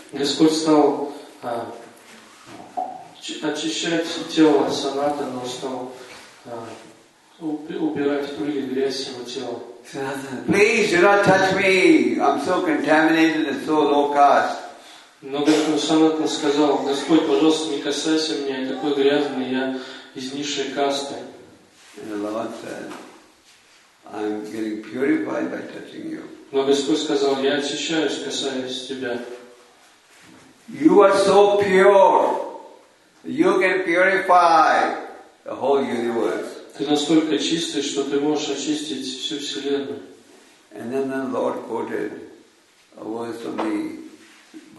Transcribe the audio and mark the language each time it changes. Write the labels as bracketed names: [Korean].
[Russian] Господь стал очищать тело Санатана, стал убирать пыль и грязь его тела. [English] Sanatana, please do not touch me. I'm so contaminated and so low caste. [Russian] Но Господь Санатана сказал, Господь, пожалуйста, не касайся меня, я такой грязный, я из низшей касты. [English] And the Lord said, I'm getting purified by touching you. [Russian] Но Господь сказал, я очищаюсь, касаясь тебя. [English] You are so pure, you can purify the whole universe. [Russian] Ты настолько чистый, что ты можешь очистить всю Вселенную. [English] And then the Lord quoted a verse from the